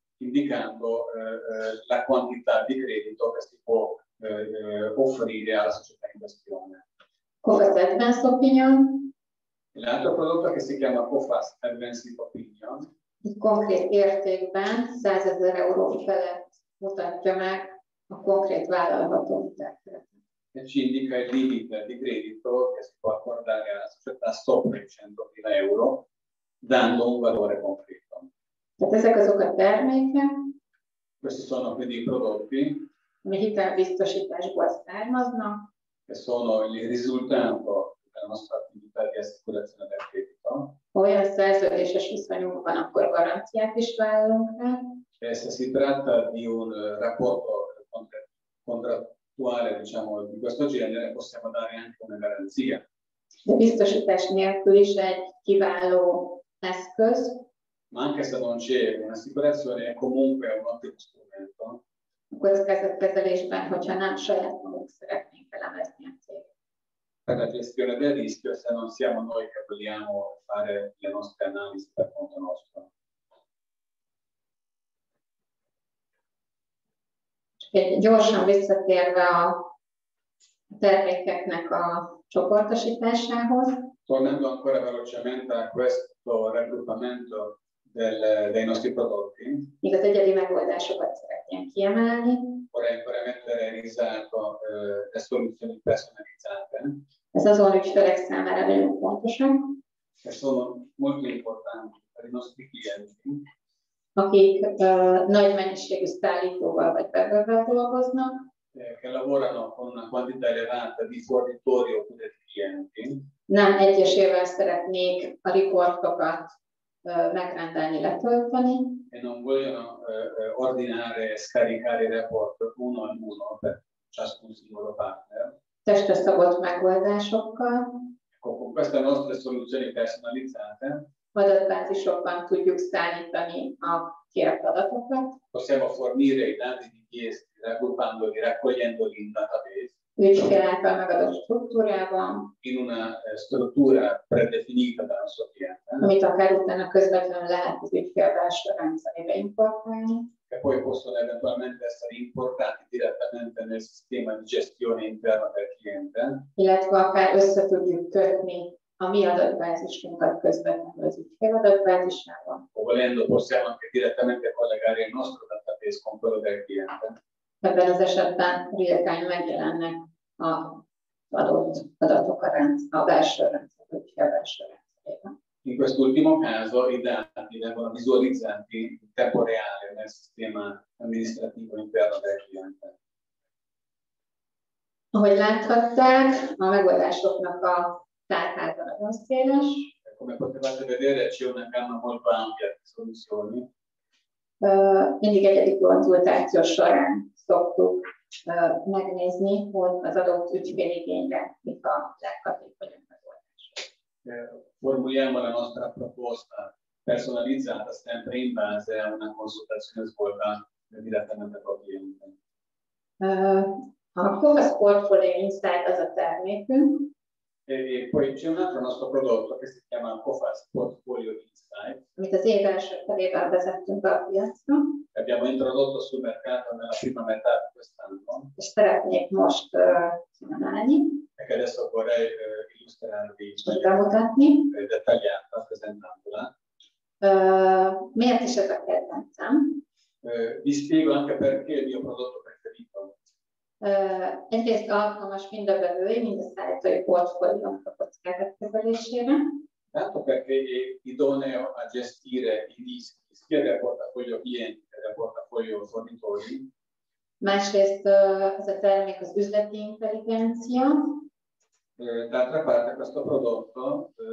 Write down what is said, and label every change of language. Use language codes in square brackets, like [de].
[it] Indicando la quantità di credito che si può offrire alla società in questione. Cofas Advanced Opinion. L'altro prodotto che si chiama Cofas Advanced Opinion. Il concreto [hu] értékben 100.000 euro felett mutatja meg a konkrét vállalható hitelt. [it] E ci indica il limite di credito che si può accordare alla società sopra i 100.000 euro, dando un valore concreto. [hu] Tehát ezek azok a termékek. [it] Questi sono quindi i prodotti. [hu] Ami hitelbiztosításból származnak. [it] Che sono il risultato della nostra attività di assicurazione del credito. [hu] Olyan szerződéses viszonyunkban akkor garanciát is vállalunk rá. [it] E se si tratta di un rapporto contrattuale, diciamo, di questo genere, possiamo dare anche una garanzia. [hu] De biztosítás nélkül is egy kiváló eszköz. [it] Ma anche se non c'è un'assicurazione, è comunque un ottimo strumento. Per la gestione del rischio, se non siamo noi che vogliamo fare le nostre analisi per conto nostro. [hu] Gyorsan visszatérve a termékeknek a csoportosításához. [it] Tornando ancora velocemente a questo raggruppamento. Dei nostri prodotti. [hu] Mik az egyedi megoldásokat szeretnénk kiemelni. [it] Vorrei ancora mettere in risalto le soluzioni personalizzate. [hu] Ez azon ügyfelek számára nagyon fontosan. [it] Che sono molto importanti per i nostri clienti. [hu] akik nagy mennyiségű szállítóval vagy bevővel dolgoznak. [it] Che lavorano con una quantità elevata di fornitori oppure di clienti. [hu] Nem egyesével szeretnék a riportokat megrendelni, letölteni. [it] E non vogliono ordinare e scaricare i report uno in uno per ciascun singolo partner. [hu] Testre szabott megoldásokkal. [it] Ecco, con queste nostre soluzioni personalizzate. [hu] Adatbázisokban tudjuk szállítani a kért adatokat. [it] Possiamo fornire i dati richiesti. Raggruppandoli, raccogliendoli in database. [hu] Ügyfélekkel megadott struktúrában. [it] In una struttura predefinita dalla sua clienta. [hu] Amit akár utána közvetlenül lehet az ügyfél belső rendszerébe importálni. [it] E poi possono eventualmente essere importati direttamente nel sistema di gestione interna del cliente. [hu] Illetve akár össze tudjuk kötni a mi adatbázisunkat közvetlenül az ügyfél adatbázisával. [it] O volendo possiamo anche direttamente collegare il nostro database con quello del cliente. [hu] Ebben az esetben real-time megjelennek a adott adatok a belső rendszerében. [it] In quest'ultimo caso i dati vengono visualizzati in tempo reale nel sistema amministrativo interno del cliente. [hu] Ahogy láthatták, a megoldásoknak a tárháza nagyon széles. [it] Come potevate vedere, c'è una gamma molto ampia di soluzioni. [hu] Mindig egyedi konzultáció során szoktuk megnézni, hogy az adott ügyféligényre mik a legkapékonyabb megoldások. [it] Formuliamo la nostra proposta personalizzata sempre in base a una consultazione svolta direttamente col cliente. [hu] A Covas Portfolio Insight az a termékünk. [it] E poi c'è un altro nostro prodotto che si chiama Covas Portfolio Insight. [hu] Amit az év első felében vezettünk be a piacra. [it] Abbiamo introdotto sul mercato nella prima metà di quest'anno. [hu] És szeretnék most kínálni. [it] E che adesso vorrei illustrarvi. [hu] Bemutatni. [it] Dettagliata, presentandola. [hu] Miért is ez a kedvencem? [it] Vi spiego anche perché il mio prodotto preferito. [hu] Egyrészt alkalmas mind a vevői, mind a szállítói portfóliónak a kockázat kezelésére. [it] Tanto perché è idoneo a gestire i rischi sia del portafoglio clienti che del portafoglio fornitori. [hu] Másrészt az a termék az üzleti intelligencia. [it] D'altra parte questo prodotto.